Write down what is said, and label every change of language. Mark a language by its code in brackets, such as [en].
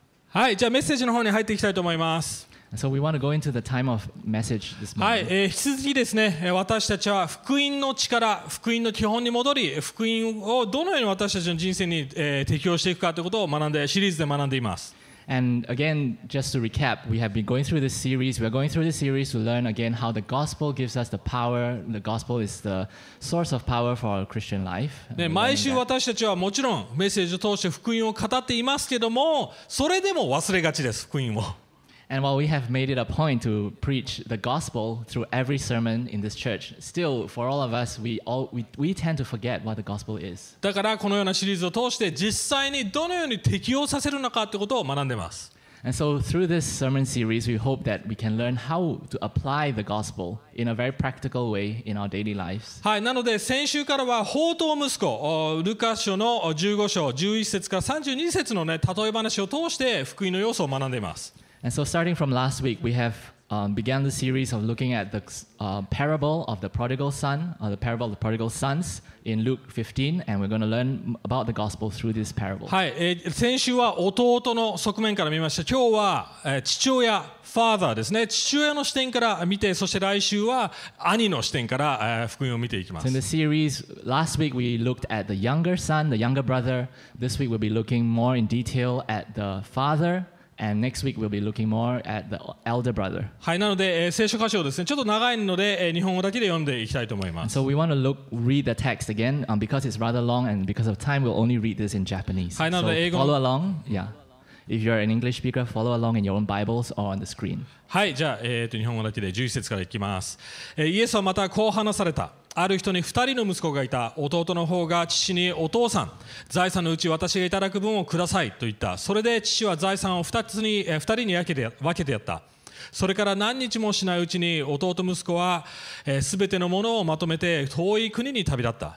[ja] はい、じゃあメッセージの方に入っていきたいと思います。 [en] So we want to go into the time of message this morning. [ja] はい、引き続きですね、私たちは福音の力、福音の基本に戻り、福音をどのように私たちの人生に、適用していくかということを学んで、シリーズで学んでいます。 [en] And again, just to recap, we have been going through this series. We are going through this series to learn again how the gospel gives us the power. The gospel is the source of power for our Christian life. [ja] ね、毎週私たちはもちろんメッセージを通して福音を語っていますけども、それでも忘れがちです、福音を。 [en] And while we have made it a point to preach the gospel through every sermon in this church, still for all of us, we tend to forget what the gospel is. [ja] だからこのようなシリーズを通して実際にどのように適用させるのかということを学んでます。 [en] And so through this sermon series, we hope that we can learn how to apply the gospel in a very practical way in our daily lives. [ja] はい、なので先週からは放蕩息子、ルカ書の15章11節から32節のね、例え話を通して福音の要素を学んでます。 [en] And so starting from last week, we have began the series of looking at the parable of the prodigal son, or the parable of the prodigal sons in Luke 15, and we're going to learn about the gospel through this parable. [ja] はい、先週は弟の側面から見ました。今日は、父親、father ですね。父親の視点から見て、そして来週は兄の視点から、福音を見ていきます。 [en] So in the series, last week we looked at the younger son, the younger brother. This week we'll be looking more in detail at the father. And next week we'll be looking more at the elder brother. [ja] はい、なので、聖書箇所をですね、ちょっと長いので、日本語だけで読んでいきたいと思います。 [en] So we want to read the text again, because it's rather long and because of time, we'll only read this in Japanese. [ja] はい、なので、英語 [en] の、follow along, yeah. If you're an English speaker, follow along in your own Bibles or on the screen. [ja] はい、じゃあ、日本語だけで11節からいきます。イエスはまたこう話された。ある人に二人の息子がいた。弟の方が父にお父さん、財産のうち私がいただく分をくださいと言った。それで父は財産を二人に分けてやった。それから何日もしないうちに弟息子はすべてのものをまとめて遠い国に旅立った。